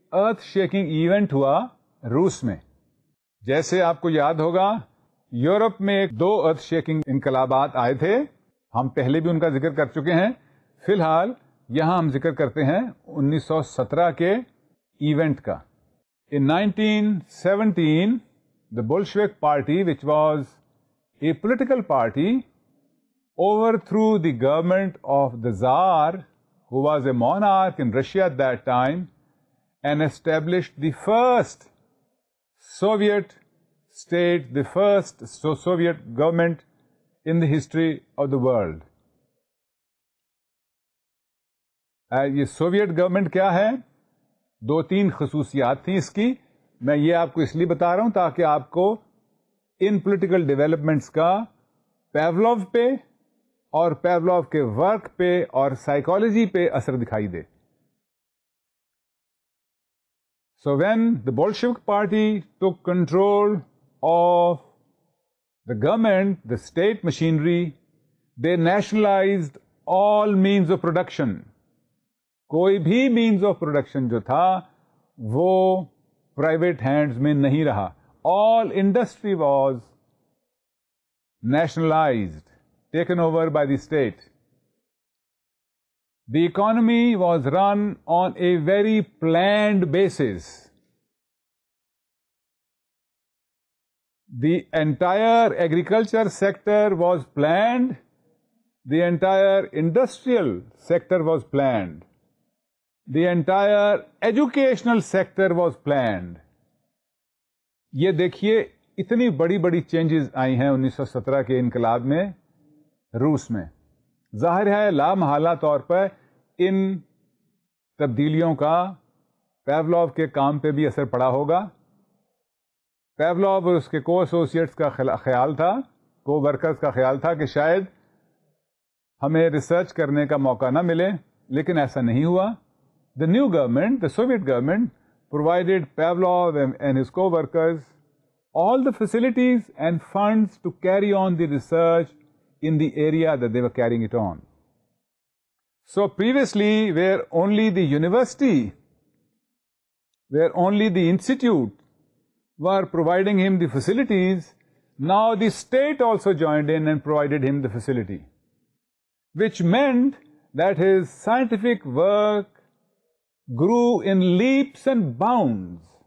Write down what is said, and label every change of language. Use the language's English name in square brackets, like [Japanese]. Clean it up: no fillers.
[Urdu] Earth shaking event ہوا روس میں. جیسے آپ کو یاد ہوگا یورپ میں دو ارتھ شیکنگ انقلابات آئے تھے, ہم پہلے بھی ان کا ذکر کر چکے ہیں, فی الحال یہاں ہم ذکر کرتے ہیں 1917 کے ایونٹ کا. [English] In 1917, the Bolshevik party, which was a political party, overthrew the government of the Tsar, who was a monarch in Russia at that time, and established the first Soviet state, the first Soviet government in the history of the world. [Urdu] یہ Soviet government کیا ہے؟ دو تین خصوصیات تھیں اس کی, میں یہ آپ کو اس لیے بتا رہا ہوں تاکہ آپ کو ان پولیٹیکل ڈیولپمنٹس کا پیولوف پہ اور پیولوف کے ورک پہ اور سائیکالوجی پہ اثر دکھائی دے. [English] So when the Bolshevik party took control of the government, the state machinery, they nationalized all means of production. [Urdu] کوئی بھی [English] means of production [Urdu] جو تھا وہ [English] private hands [Urdu] میں نہیں رہا, [English] All industry was nationalized, taken over by the state. The economy was run on a very planned basis. The entire agriculture sector was planned, the entire industrial sector was planned, the entire educational sector was planned. [Urdu] یہ دیکھیے اتنی بڑی بڑی changes آئی ہیں 1917 کے انقلاب میں روس میں. ظاہر ہے لا محالہ طور پر ان تبدیلیوں کا پیولوف کے کام پہ بھی اثر پڑا ہوگا. پیولوف اور اس کے کو ایسوسیٹس کا خیال تھا, کو ورکرز کا خیال تھا کہ شاید ہمیں ریسرچ کرنے کا موقع نہ ملے, لیکن ایسا نہیں ہوا. [English] The new government, the Soviet government, provided Pavlov and his co-workers all the facilities and funds to carry on the research in the area that they were carrying it on. So previously, where only the university, where only the institute were providing him the facilities, now the state also joined in and provided him the facility, which meant that his scientific work grew in leaps and bounds.